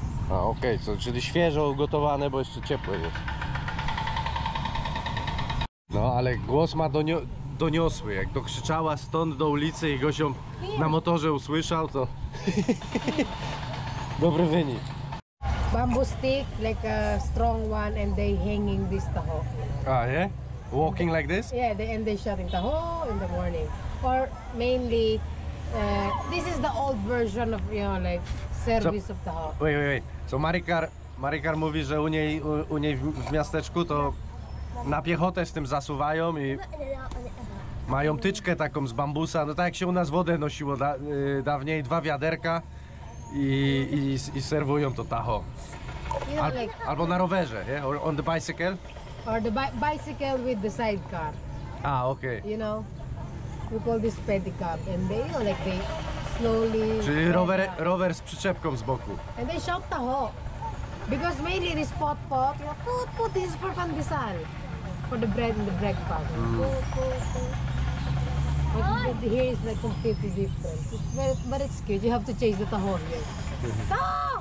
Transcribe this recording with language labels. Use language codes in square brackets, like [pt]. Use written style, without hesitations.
[pl] A, okej, okay. So, czyli świeżo ugotowane, bo jeszcze ciepłe jest. No, ale głos ma doniosły. Jak dokrzyczała stąd do ulicy i goś ją na motorze usłyszał, to dobry wynik. [en] Bamboo stick, like a strong one, and they hanging this Tahoe. A, nie? Walking like this? Yeah, they, and they shouting taho in the morning. Or mainly, this is the old version of, you know, like, service so, of taho. Wait. [pl] So Marikar mówi, że u niej w miasteczku to na piechotę z tym zasuwają i mają tyczkę taką z bambusa, no tak jak się u nas wodę nosiło dawniej, dwa wiaderka i serwują to taho. Albo na rowerze, nie? [en] Or on the bicycle? Or the bicycle with the sidecar. Ah, okay. You know, we call this pedicab and they, you know, like they slowly... [pl] Czyli rower z przyczepką z boku. [en] And they shop taho. Because mainly this pot pot, you know, put this for pandesal. For the bread and the breakfast. But here is like completely different. But it's cute, you have to chase the taho here.